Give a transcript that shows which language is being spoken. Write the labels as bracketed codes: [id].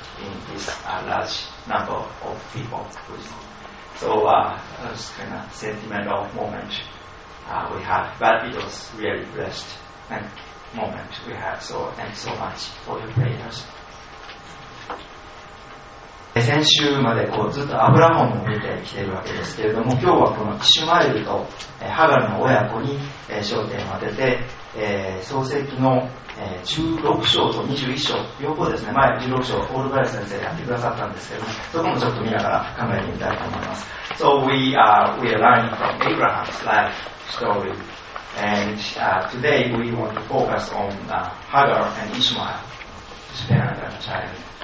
[en] In this large number of people. So that's kind of sentimental moment we had, but it was really blessed and moment we had. So thanks so much for your prayers. [ja] 先週までこうずっとアブラハムを見てきているわけですけれども、今日はこのイシュマエルとハガルの親子に焦点を当てて、創世記の16章と21章両方ですね、前16章オールバレ先生がやってくださったんですけども、そこもちょっと見ながら考えてみたいと思います。 [en] So we are learning from Abraham's life story and today we want to focus on Hagar and Ishmael, his parent and child.